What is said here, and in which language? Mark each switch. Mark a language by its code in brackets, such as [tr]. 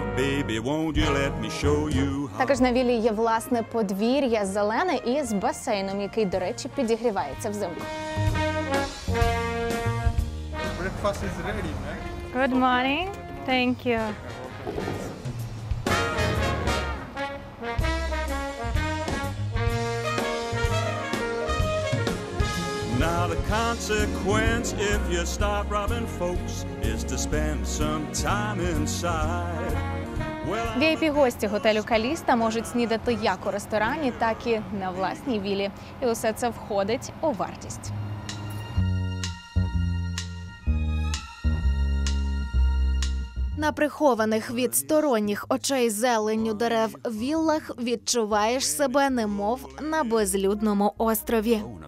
[en] Baby, won't you let me show you how. [uk] Також на вілі є власне подвір'я зелене і з басейном, який, до речі, підігрівається взимку. [en] Breakfast is ready, man. Good morning. Thank you. Now the consequence if you start robbing folks is to spend some time inside. [uk] Well, VIP-гості готелю Каліста можуть снідати як у ресторані, так і на власній вілі. І усе це входить у вартість. На прихованих від сторонніх очей зеленню дерев віллах відчуваєш себе немов на безлюдному острові.